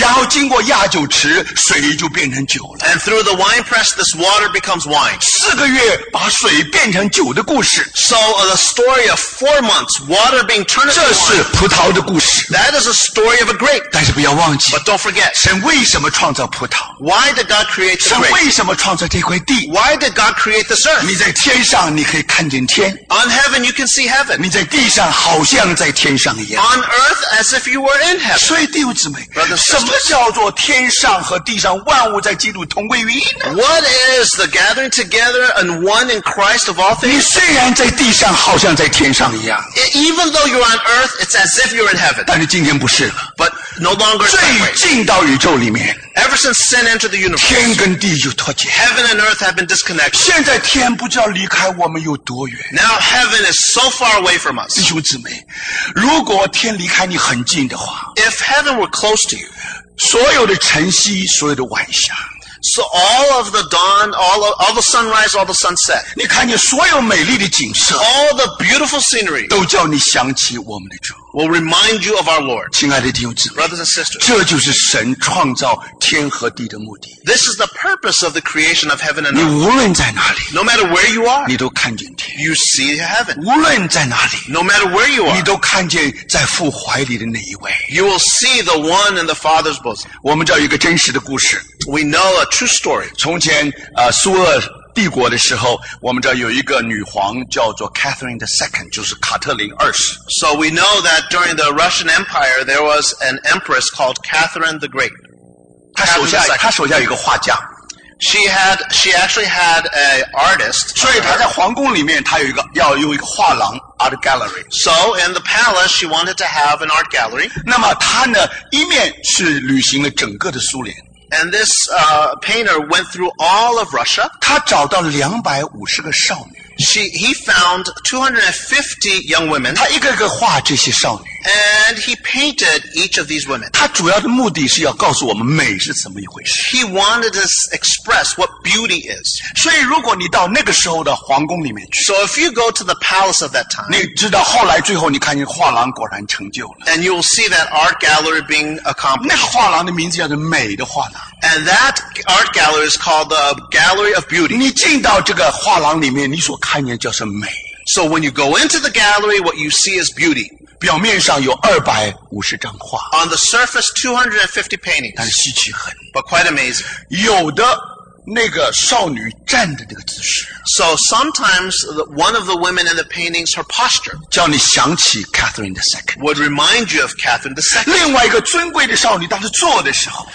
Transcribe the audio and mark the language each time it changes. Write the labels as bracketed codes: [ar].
[zh] 然后经过亚酒池，水就变成酒了。 [en] And through the wine press, this water becomes wine. [zh] 四个月把水变成酒的故事。 [en] So the story of 4 months, water being turned into wine. [zh] 这是葡萄的故事。 [en] That is a story of a grape. [zh] 但是不要忘记。 [en] But don't forget. [zh] 神为什么创造葡萄？ [en] Why did God create the grape? [zh] 神为什么创造这块地？ [en] Why did God create the earth? [zh] 你在天上你可以看见天。 [en] On heaven you can see heaven. [zh] 你在地上好像在天上一样。 [en] On earth as if you were in heaven. [zh] 所以弟兄姊妹，什么叫做天上和地上万物在基督同归于一呢？ [en] What is the gathering together and one in Christ of all things? [zh] 你虽然在地上好像在天上一样。 [en] Even though you're on earth, it's as if you're in heaven. [zh] 但是今天不是了。 [en] But no longer is that way. [zh] 最近到宇宙里面。 [en] Ever since sin entered the universe, [zh] 天跟地就脱节。 [en] Heaven and earth have been disconnected. [zh] 现在天不知道离开我们有多远。 [en] Now heaven is so far away from us. [zh] 弟兄姊妹，如果天离开你很近的话， [en] If heaven were close to you, [zh] 所有的晨曦，所有的晚霞。 [en] So all of the dawn, all the sunrise, all the sunset. [zh] 你看见所有美丽的景色。 [en] All the beautiful scenery. [zh] 都叫你想起我们的主。 [en] Will remind you of our Lord. [zh] 亲爱的弟兄姊妹。 [en] Brothers and sisters. [zh] 这就是神创造天和地的目的。 [en] This is the purpose of the creation of heaven and earth. [zh] 你无论在哪里。 [en] No matter where you are. [zh] 你都看见天。 [en] You see heaven. [zh] 无论在哪里。 [en] No matter where you are. [zh] 你都看见在父怀里的那一位。 [en] You will see the one in the Father's bosom. [zh] 我们知道一个真实的故事。 [en] We know a true story. [zh] 从前苏俄帝国的时候，我们知道有一个女皇叫做 Catherine II, 就是卡特琳二世。 [en] So we know that during the Russian Empire, there was an empress called Catherine the Great. [zh] 她手下有一个画家。 [en] She actually had an artist. [zh] 所以她在皇宫里面，她有一个画廊。 [en] art gallery. So in the palace, she wanted to have an art gallery. [zh] 那么她呢，一面是旅行了整个的苏联。 [en] And this painter went through all of Russia. [zh] 他找到250个少女。 [en] He found 250 young women. [zh] 他一个一个画这些少女。 [en] And he painted each of these women. [zh] 他主要的目的是要告诉我们美是怎么一回事。 [en] He wanted to express what beauty is. [zh] 所以如果你到那个时候的皇宫里面去。 [en] So if you go to the palace of that time. [zh] 你知道后来最后你看见画廊果然成就了。 [en] And you'll see that art gallery being accomplished. [zh] 那个画廊的名字叫做美的画廊。 [en] And that art gallery is called the Gallery of Beauty. [zh] 你进到这个画廊里面你所看见就是美。 [en] So when you go into the gallery, what you see is beauty. [zh] 表面上有250张画。 [en] On the surface, 250 paintings. [zh] 但稀奇很。 [en] But quite amazing. [zh] 有的那个少女站的那个姿势。 [en] So sometimes one of the women in the paintings, her posture. [zh] 叫你想起 Catherine II. [en] Would remind you of Catherine II. [zh] 另外一个尊贵的少女当时坐的时候。